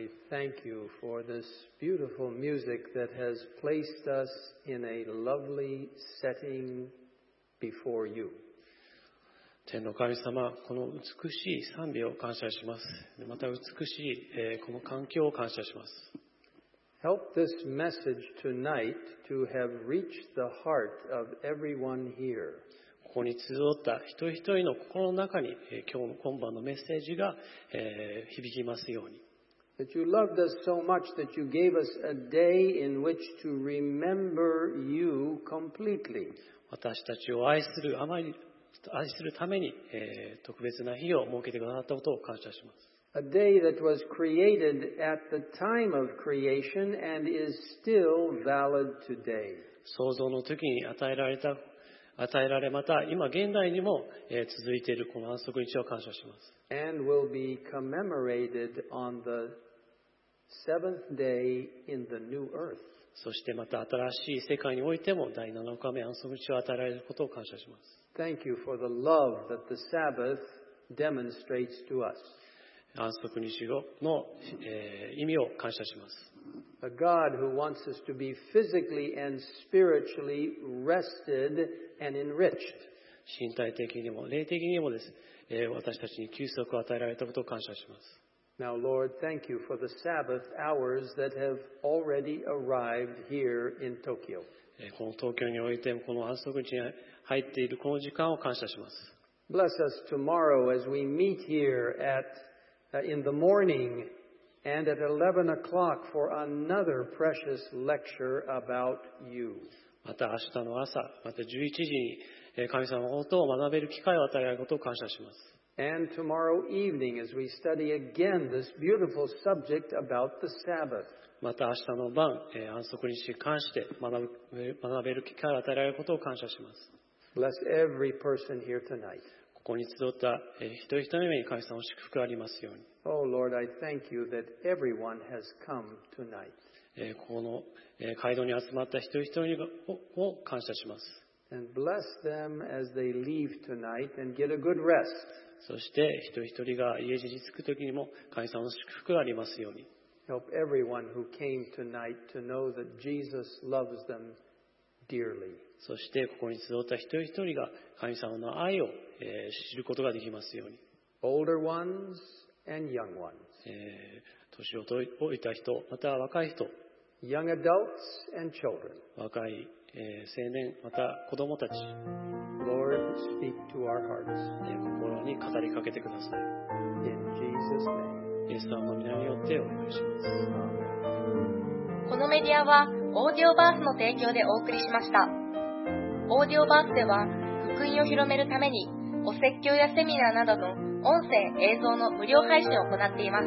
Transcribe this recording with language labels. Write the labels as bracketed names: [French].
[English] Thank you for this beautiful music that has placed us in a lovely setting before you. [Japanese] 天の神様、この美しい賛美を感謝します。また美しい、この環境を感謝します。 [English] Help this message tonight to have reached the heart of everyone here. [Japanese] ここに集った一人一人の心の中に、今日の今晩のメッセージが、響きますように。 [English] That you loved us so much that you gave us a day in which to remember you completely. [Japanese] 私たちを愛するあまり、愛するために、特別な日を設けてくださったことを感謝します。 [English] A day that was created at the time of creation and is still valid today. [Japanese] 創造の時に与えられまた今現代にも続いているこの安息日を感謝します。 [English] And will be commemorated on the seventh day in the new earth. [Japanese] そしてまた新しい世界においても第7日目安息日を与えられることを感謝します。 [English] Thank you for the love that the Sabbath demonstrates to us. [Japanese] 安息日の、意味を感謝します。 [English] A God who wants us to be physically and spiritually rested and enriched. [Japanese] 身体的にも霊的にもです、私たちに休息を与えられたことを感謝します。 [English] Now, Lord, thank you for the Sabbath hours that have already arrived here in Tokyo. [Japanese] この東京においてこの安息日に入っているこの時間を感謝します。 [English] Bless us tomorrow as we meet here atin the morning and at 11 o'clock for another precious lecture about you. [Japanese] また明日の朝、また11時に神様のことを学べる機会を与えられることを感謝します。 [English] And tomorrow evening as we study again this beautiful subject about the Sabbath. [Japanese] また明日の晩、安息日に関して学べる機会を与えられることを感謝します。 [English] Bless every person here tonight. [Japanese] ここに集った一人一人の上に神様の祝福がありますように。 [English] Oh Lord, I thank you that everyone has come tonight. [Japanese] この会堂に集まった一人一人を感謝します。 [English] And bless them as they leave tonight and get a good rest. [Japanese] そして一人一人が家路に着くときにも神様の祝福がありますように。 [English] Help everyone who came tonight to know that Jesus loves them dearly. [Japanese] そしてここに集った一人一人が神様の愛を知ることができますように。 [English] Older ones and young ones. [Japanese] 年を老いた人、または若い人。 [English] Young adults and children. [Japanese] 若い青年、また子供たち。 [English] Lord, speak to our hearts. [Japanese] 心に語りかけてください。 [English] In Jesus' name. [Japanese] イエス様の名によってお願いします。このメディアはオーディオバースの提供でお送りしました。オーディオバースでは福音を広めるためにお説教やセミナーなどの音声・映像の無料配信を行っています。